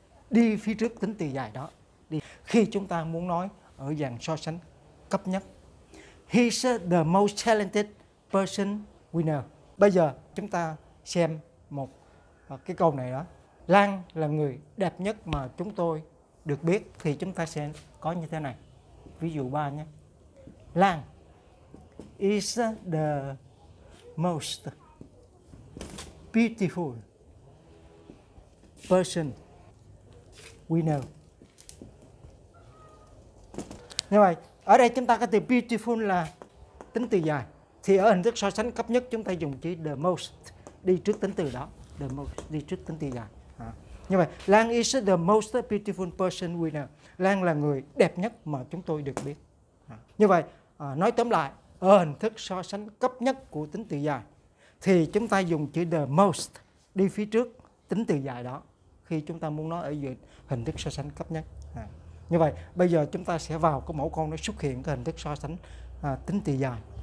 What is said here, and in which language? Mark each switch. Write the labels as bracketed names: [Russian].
[Vietnamese] Đi phía trước tính từ dài đó. Đi. Khi chúng ta muốn nói ở dạng so sánh cấp nhất. [English] He's the most talented person we know. [Vietnamese] Bây giờ chúng ta xem một cái câu này đó. Lan là người đẹp nhất mà chúng tôi được biết. Thì chúng ta sẽ có như thế này. Ví dụ 3 nhé. [English] Lan is the most beautiful person we know. [Vietnamese] Như vậy, ở đây chúng ta có từ beautiful là tính từ dài. Thì ở hình thức so sánh cấp nhất chúng ta dùng chữ the most đi trước tính từ đó. The most đi trước tính từ dài. Như vậy, [English] Lan is the most beautiful person we know. [Vietnamese] Lan là người đẹp nhất mà chúng tôi được biết. Như vậy, nói tóm lại, ở hình thức so sánh cấp nhất của tính từ dài thì chúng ta dùng chữ the most đi phía trước tính từ dài đó khi chúng ta muốn nói ở dưới hình thức so sánh cấp nhất. Như vậy, bây giờ chúng ta sẽ vào cái mẫu câu nó xuất hiện cái hình thức so sánh tính từ dài.